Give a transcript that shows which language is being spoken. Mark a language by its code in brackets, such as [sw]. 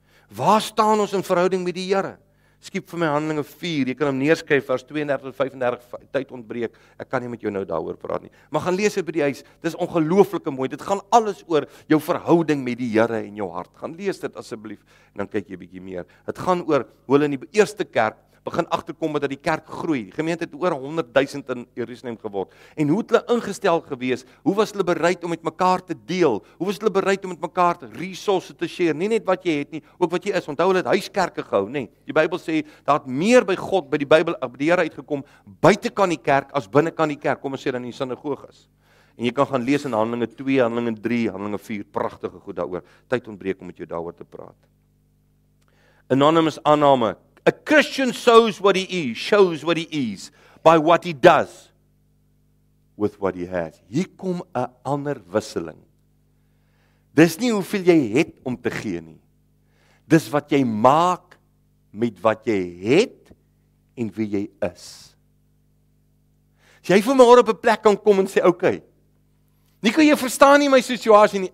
[af] Waar staan ons in verhouding met die Here? Skiep vir my Handelinge 4, jy kan hom neerskryf vers 32 tot 35, tyd ontbreek, ek kan nie met jou nou daaroor praat nie. Maar gaan lees dit by die huis, dit is ongelooflik mooi, dit gaan alles oor jou verhouding met die Here en jou hart. Gaan lees dit asseblief, en dan kyk jy 'n bietjie meer. Dit gaan oor hoe hulle in die eerste kerk begin agterkom dat die kerk groei. Die gemeente het oor 100.000 in Jerusalem geword. En hoe het hulle ingestel gewees? Hoe was hulle bereid om met mekaar te deel? Hoe was hulle bereid om met mekaar resources te share? Nie net wat jy het nie, ook wat jy is. Onthou hulle het huiskerke gehou, nê? Die Bybel sê daar het meer by God, by die Bybel, by die Here uitgekom buitekant die kerk as binnekant die kerk. Kom ons sê dan in die sinagoges. En jy kan gaan lees in Handelinge 2, Handelinge 3, Handelinge 4, pragtige goed daaroor. Tyd ontbreek om met jou daaroor te praat. Anonymous aanname. [en] A Christian shows what he is, by what he does with what he has. [af] Hier kom 'n ander wisseling. Dis nie hoeveel jy het om te gee nie. Dis wat jy maak met wat jy het en wie jy is. As jy vanmôre op 'n plek kan kom en sê, okay, Nico, jy verstaan nie my situasie nie.